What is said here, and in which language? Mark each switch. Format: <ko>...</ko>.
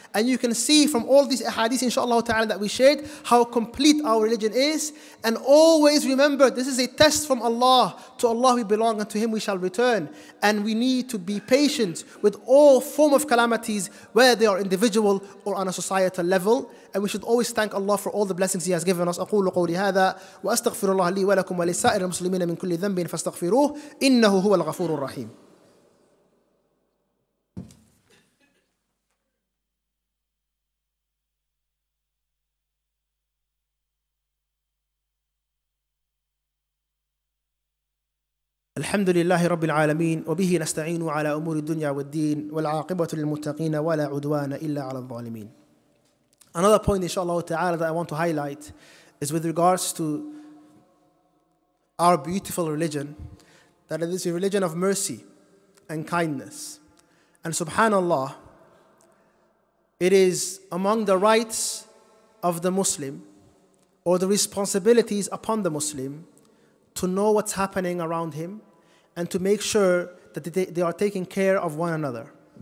<en>And you can see from all these ahadith, inshaAllah ta'ala, that we shared, how complete our religion is. And always remember, this is a test from Allah. To Allah we belong, and to Him we shall return. And we need to be patient with all form of calamities, whether they are individual or on a societal level. And we should always thank Allah for all the blessings He has given us.</en> <ar>أقول قولي هذا وأستغفر الله لي ولكم ولسائر المسلمين من كل ذنب فاستغفروه إنه هو الغفور الرحيم. الحمد لله رب العالمين وبه نستعين على أمور الدنيا والدين والعاقبة للمتقين ولا عدوان إلا على الظالمين.</ar> <en>Another point, inshallah ta'ala, that I want to highlight is with regards to our beautiful religion, that it is a religion of mercy and kindness. And subhanallah, it is among the rights of the Muslim, or the responsibilities upon the Muslim, to know what's happening around him and to make sure that they are taking care of one another.</en>